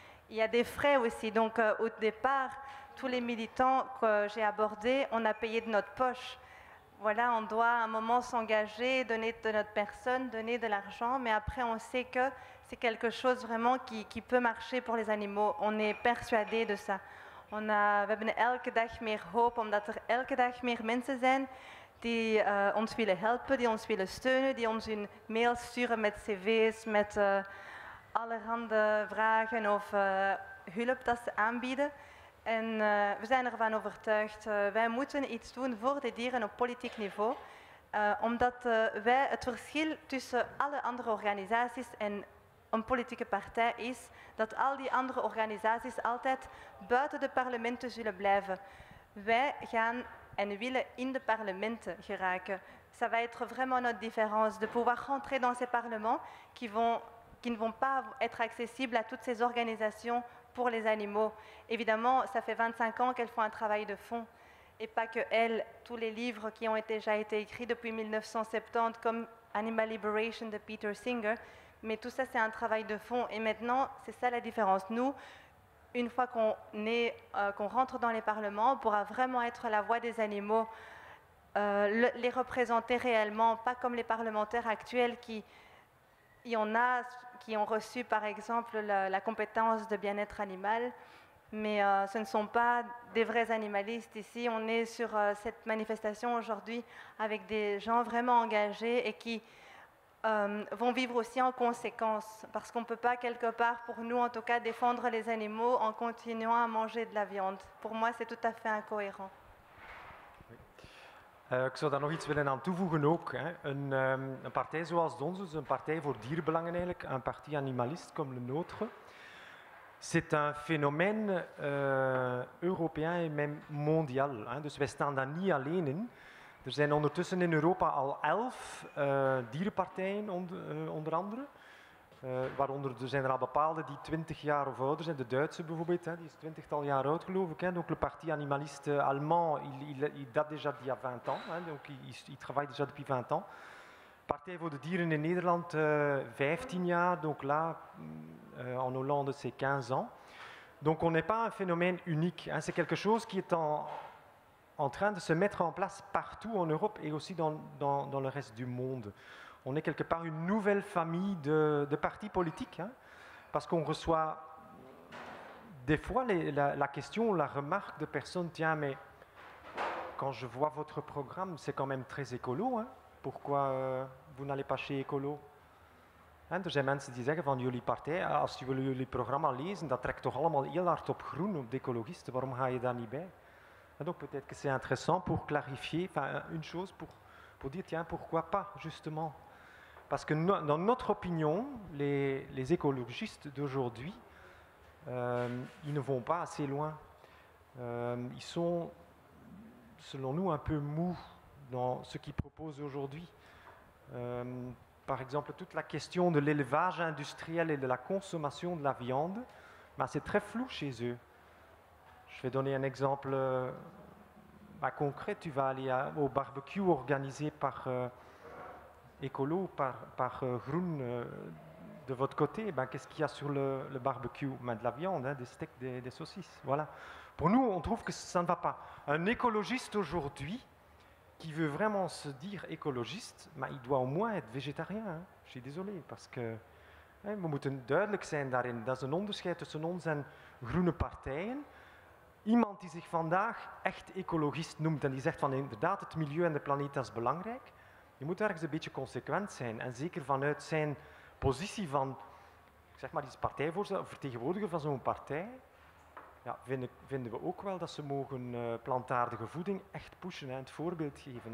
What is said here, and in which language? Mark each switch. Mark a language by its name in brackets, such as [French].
[French] Il y a des frais aussi, donc au départ, tous les militants que j'ai abordés, on a payé de notre poche. Voilà, on doit à un moment s'engager, donner de notre personne, donner de l'argent, mais après on sait que c'est quelque chose vraiment qui peut marcher pour les animaux. On est persuadé de ça. [Dutch] We hebben elke dag meer hoop, omdat er elke dag meer mensen zijn die ons willen helpen, die ons willen steunen, die ons hun mail sturen met cv's, met allerhande vragen of hulp dat ze aanbieden. En we zijn ervan overtuigd, wij moeten iets doen voor de dieren op politiek niveau, omdat wij het verschil tussen alle andere organisaties en een politieke partij is dat al die andere organisaties altijd buiten de parlementen zullen blijven. Wij gaan en willen in de parlementen geraken. [French] Ça va être vraiment notre différence de pouvoir rentrer dans ces parlements qui ne vont pas être accessibles à toutes ces organisations pour les animaux. Évidemment, ça fait 25 ans qu'elles font un travail de fond. Et pas que elles, tous les livres qui ont déjà été écrits depuis 1970, comme Animal Liberation de Peter Singer, mais tout ça, c'est un travail de fond. Et maintenant, c'est ça la différence. Nous, une fois qu'on rentre dans les parlements, on pourra vraiment être la voix des animaux, les représenter réellement, pas comme les parlementaires actuels qui... Il y en a qui ont reçu, par exemple, la compétence de bien-être animal, mais ce ne sont pas des vrais animalistes ici. On est sur cette manifestation aujourd'hui avec des gens vraiment engagés et qui vont vivre aussi en conséquence, parce qu'on ne peut pas, quelque part, pour nous, en tout cas, défendre les animaux en continuant à manger de la viande. Pour moi, c'est tout à fait incohérent. Oui. [Dutch] Ik zou daar nog iets willen aan toevoegen ook. Hè. Een partij zoals de onze, een partij voor dierenbelangen eigenlijk, een [French] parti animaliste comme le nôtre, c'est un phénomène européen et même mondial. [Dutch] Hè. Dus wij staan daar niet alleen in. Er zijn ondertussen in Europa al 11 dierenpartijen onder andere. Waaronder er zijn er al bepaalde die 20 jaar of ouder zijn. De Duitse bijvoorbeeld, hè, die is 20-tal jaar oud geloof ik. Hè. [French] Donc le parti animaliste allemand, il date déjà d'il y a 20 ans. Hè. Donc il travaille déjà depuis 20 ans. [Dutch] Partij voor de dieren in Nederland 15 jaar. [French] Donc là, en Hollande, c'est 15 ans. Donc on n'est pas un phénomène unique. Hein. C'est quelque chose qui est en train de se mettre en place partout en Europe et aussi dans le reste du monde. On est quelque part une nouvelle famille de partis politiques, hein, parce qu'on reçoit des fois la question, la remarque de personnes, tiens, mais quand je vois votre programme, c'est quand même très écolo, hein, pourquoi vous n'allez pas chez Écolo? [Dutch] Hein, er zijn mensen die zeggen van jullie partij, als je wil jullie programma lezen, dat trekt toch allemaal heel hard op groen, op d'écologisten, waarom ga je daar niet bij? [French] Donc peut-être que c'est intéressant pour clarifier, enfin une chose pour dire, tiens, pourquoi pas, justement. Parce que dans notre opinion, les écologistes d'aujourd'hui, ils ne vont pas assez loin. Ils sont, selon nous, un peu mous dans ce qu'ils proposent aujourd'hui. Par exemple, toute la question de l'élevage industriel et de la consommation de la viande, ben, c'est très flou chez eux. Je vais donner un exemple concret. Tu vas aller au barbecue organisé par écolo ou par Groen de votre côté. Ben, qu'est-ce qu'il y a sur le barbecue? Ben, de la viande, hein, des steaks, des saucisses. Voilà. Pour nous, on trouve que ça ne va pas. Un écologiste aujourd'hui qui veut vraiment se dire écologiste, ben, il doit au moins être végétarien. Hein. Je suis désolé parce que hein, [Dutch] we moeten duidelijk zijn daarin. Dat is een onderscheid tussen ons en groene partijen. Iemand die zich vandaag echt ecologist noemt en die zegt van inderdaad het milieu en de planeet is belangrijk, je moet ergens een beetje consequent zijn. En zeker vanuit zijn positie van, zeg maar, die partijvoorzitter, vertegenwoordiger van zo'n partij, ja, vinden we ook wel dat ze mogen plantaardige voeding echt pushen en het voorbeeld geven.